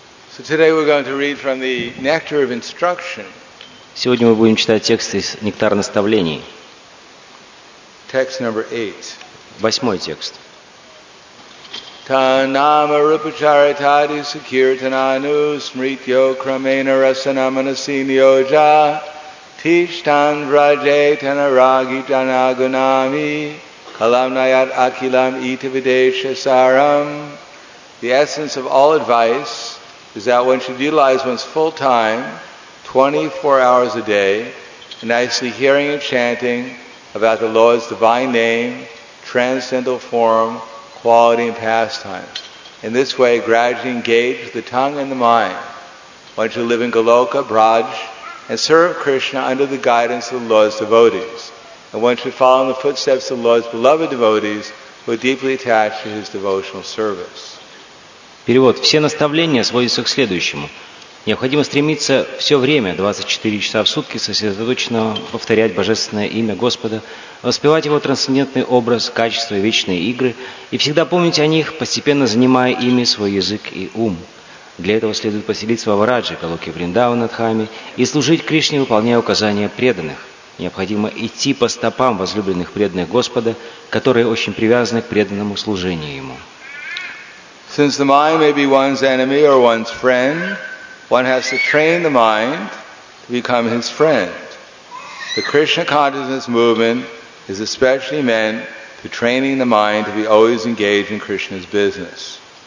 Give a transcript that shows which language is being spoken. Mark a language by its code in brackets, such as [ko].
[en] So today we're going to read from the Nectar of Instruction. [ru] Сегодня мы будем читать текст из Нектара Наставлений. [en] Text number 8. [ru] Восьмой текст. [sa] Tanama Rupacharitadi Sakirtananu Smrityo Kramena Rasanamanasinioja Tishtan Vraje Tanaragi Janagunami Kalam Nayat Akilam Itavidesha Saram. [en] The essence of all advice is that one should utilize one's full time, 24 hours a day, in nicely hearing and chanting about the Lord's divine name, transcendental form, quality and pastime. In this way, gradually engage the tongue and the mind. One should live in Goloka, Braj, and serve Krishna under the guidance of the Lord's devotees. And one should follow in the footsteps of the Lord's beloved devotees who are deeply attached to his devotional service. [ru] Перевод. Все наставления сводятся к следующему. Необходимо стремиться все время, 24 часа в сутки, сосредоточенно повторять Божественное имя Господа, воспевать Его трансцендентный образ, качества и вечные игры, и всегда помнить о них, постепенно занимая ими свой язык и ум. Для этого следует поселиться во Враджи, Галоке Вриндавана Дхаме, и служить Кришне, выполняя указания преданных. Необходимо идти по стопам возлюбленных преданных Господа, которые очень привязаны к преданному служению Ему. [en] Since the mind may be one's enemy or one's friend, one has to train the mind to become his friend. The Krishna consciousness movement is especially meant to training the mind to be always engaged in Krishna's business.